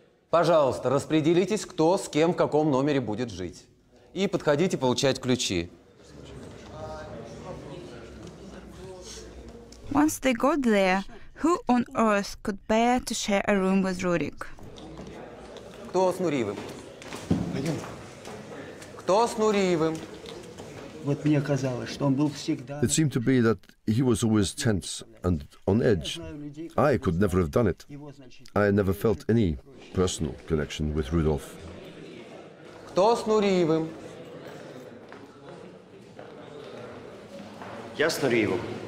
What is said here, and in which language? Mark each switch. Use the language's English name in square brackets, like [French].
[Russian] Пожалуйста, распределитесь, кто с кем в каком номере будет жить. И подходите получать ключи. [English] Once they got there, who on earth could bear to share a room with Rurik? [Russian] Кто с Нуриевым? Пойдем. Кто с Нуриевым? Вот мне казалось, что он был всегда... [English] It seemed to be that he was always tense and on edge. I could never have done it. I never felt any personal connection with Rudolf. [Russian] Кто с Нуриевым? Я с Нуриевым.